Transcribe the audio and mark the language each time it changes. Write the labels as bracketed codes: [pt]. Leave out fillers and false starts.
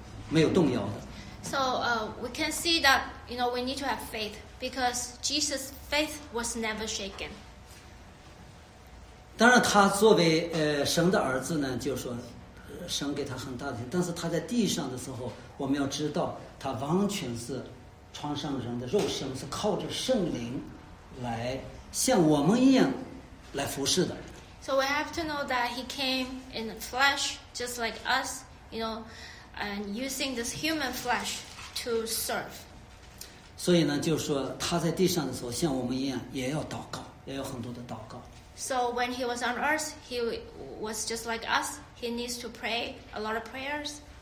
[zh] 所以不管怎么样呢，我们发现呢，主耶稣这个圣经里面讲到啊，就是说我们要有信心，主耶稣的信心是没有动摇的。 [en] So we can see that you know we need to have faith because Jesus' faith was never shaken. [zh] 当然，他作为神的儿子呢，就是说。神给他很大的，但是他在地上的时候，我们要知道，他完全是穿上人的肉身，是靠着圣灵来向我们一样来服侍的。 [en] So we have to know that he came in the flesh, just like us, you know, and using this human flesh to serve. [zh] 所以呢，就是说他在地上的时候，像我们一样，也要祷告，也有很多的祷告。 [en] So when he was on earth, he was just like us. He needs to pray a lot of prayers.